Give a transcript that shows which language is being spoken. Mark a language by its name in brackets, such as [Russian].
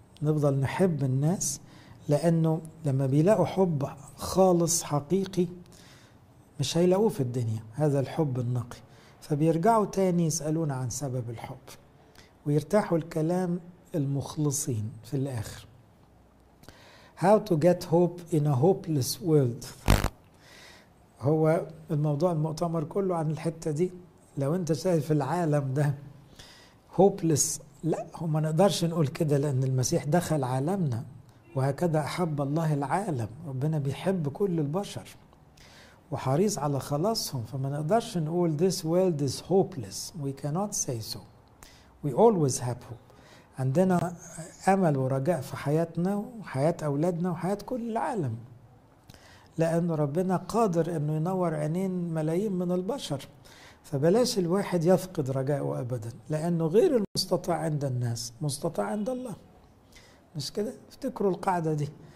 [Arabic] نفضل نحب الناس، لأنه لما بيلاقوا حب خالص حقيقي مش هيلاقوه في الدنيا، هذا الحب النقي. فبيرجعوا تاني يسألون عن سبب الحب، ويرتاحوا الكلام المخلصين في الآخر. [English] How to get hope in a hopeless world. [Arabic] هو الموضوع المؤتمر كله عن الحتة دي. لو انت شايف العالم ده hopeless، لا، هو ما نقدرش نقول كده، لان المسيح دخل عالمنا، وهكذا احب الله العالم، ربنا بيحب كل البشر وحريص على خلاصهم. فما نقدرش نقول [English] this world is hopeless. We cannot say so. We always have hope. [Arabic] عندنا أمل ورجاء في حياتنا وحياة أولادنا وحياة كل العالم، لأن ربنا قادر أنه ينور عينين ملايين من البشر. فبلاش الواحد يفقد رجائه أبدا، لأنه غير المستطاع عند الناس مستطاع عند الله، مش كده؟ افتكروا القاعدة دي.